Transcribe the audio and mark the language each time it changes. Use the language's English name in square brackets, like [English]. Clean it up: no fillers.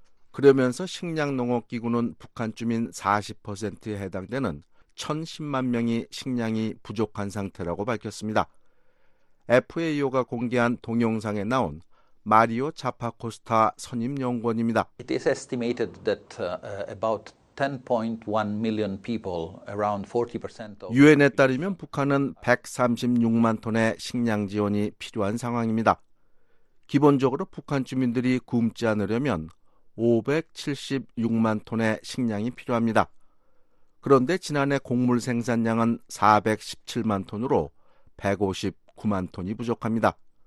[Korean] 그러면서 식량농업기구는 북한 주민 40%에 해당되는 1,010만 명이 식량이 부족한 상태라고 밝혔습니다. FAO가 공개한 동영상에 나온 마리오 자파코스타 선임연구원입니다. [English] It is estimated that about 10.1 million people, around 40% of... [Korean] 유엔에 따르면 북한은 136만 톤의 식량 지원이 필요한 상황입니다. 기본적으로 북한 주민들이 굶지 않으려면 576만 톤의 식량이 필요합니다. 그런데 지난해 곡물 생산량은 417만 톤으로 159만 톤이 부족합니다.